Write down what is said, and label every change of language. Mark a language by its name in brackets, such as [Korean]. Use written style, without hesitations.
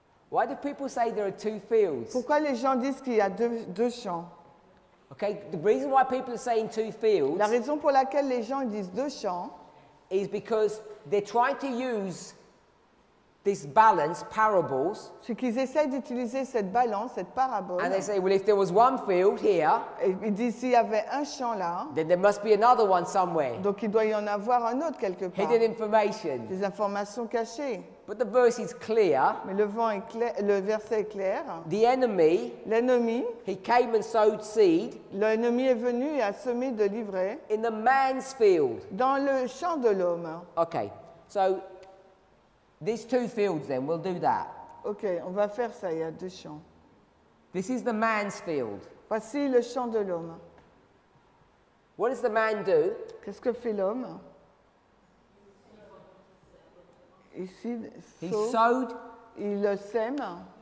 [English] Why do people say there are two fields? [French] Pourquoi les gens disent qu'il y a deux champs? [English] Okay, the reason why people are saying two fields. [French] La raison pour laquelle les gens disent deux champs [English] is because they're trying to use this balance parables. [French] C'est qu'ils essaient d'utiliser cette balance, cette parabole. [English] And they say, well, if there was one field here, [French] et ils disent s'il y avait un champ là, [English] then there must be another one somewhere. [French] Donc il doit y en avoir un autre quelque part. [English] Hidden information. [French] Des informations cachées. [English] But the verse is clear. [French] Mais le verset est clair. [English] The enemy, [French] l'ennemi, [English] he came and sowed seed. [French] L'ennemi est venu et a semé de l'ivraie. [English] In the man's field. [French] Dans le champ de l'homme. [English] Okay, so these two fields then, we'll do that. [French] Okay, on va faire ça, il y a deux champs. [English] This is the man's field. [French] Voici le champ de l'homme. [English] What does the man do? [French] Qu'est-ce que fait l'homme? [English] He sowed. [French] Il le sème.